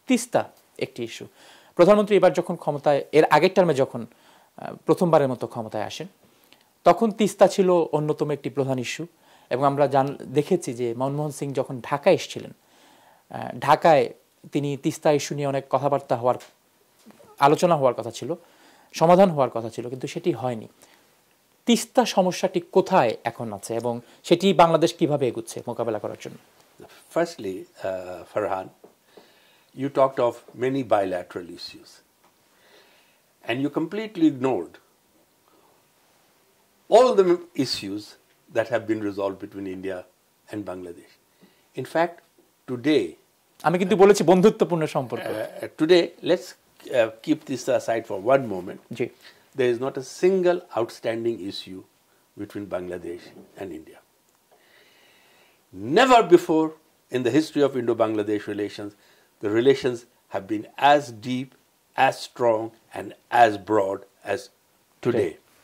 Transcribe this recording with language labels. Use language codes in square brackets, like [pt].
[bn] তিস্তা একটি ইস্যু। প্রধানমন্ত্রী এবার যখন ক্ষমতায়, এর আগের টার্মে যখন প্রথমবারের মতো ক্ষমতায় আসেন, তখন তিস্তা ছিল অন্যতম একটি প্রধান ইস্যু, এবং আমরা দেখেছি যে মনমোহন সিং যখন ঢাকায় এসেছিলেন, ঢাকায় তিনি তিস্তা ইস্যু নিয়ে অনেক কথাবার্তা হওয়ার, আলোচনা হওয়ার কথা ছিল, সমাধান হওয়ার কথা ছিল, কিন্তু সেটি হয়নি। তিস্তা সমস্যাটি কোথায় এখন আছে এবং সেটি বাংলাদেশ কীভাবে এগুচ্ছে মোকাবেলা করার জন্য? [en] Firstly, Farhan, you talked of many bilateral issues and you completely ignored all the issues that have been resolved between India and Bangladesh. In fact, today, [bn] আমি কিন্তু বলেছি বন্ধুত্বপূর্ণ সম্পর্ক। [en] Today, let's keep this aside for one moment. [bn] G, [en] there is not a single outstanding issue between Bangladesh and India. Never before in the history of Indo-Bangladesh relations, the relations have been as deep, as strong, and as broad as today. Okay.